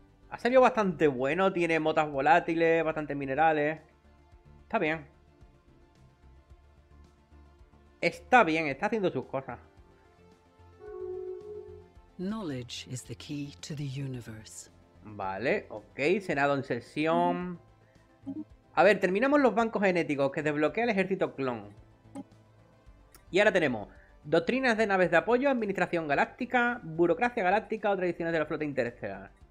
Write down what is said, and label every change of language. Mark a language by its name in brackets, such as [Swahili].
[Spanish] Ha salido bastante bueno, tiene motas volátiles, bastantes minerales. Está bien. Está bien, está haciendo sus cosas. [English] Knowledge is the key to the universe. [Spanish] Vale, ok, Senado en sesión. A ver, terminamos los bancos genéticos que desbloquea el ejército clon. Y ahora tenemos doctrinas de naves de apoyo, administración galáctica, burocracia galáctica o tradiciones de la flota interestelar.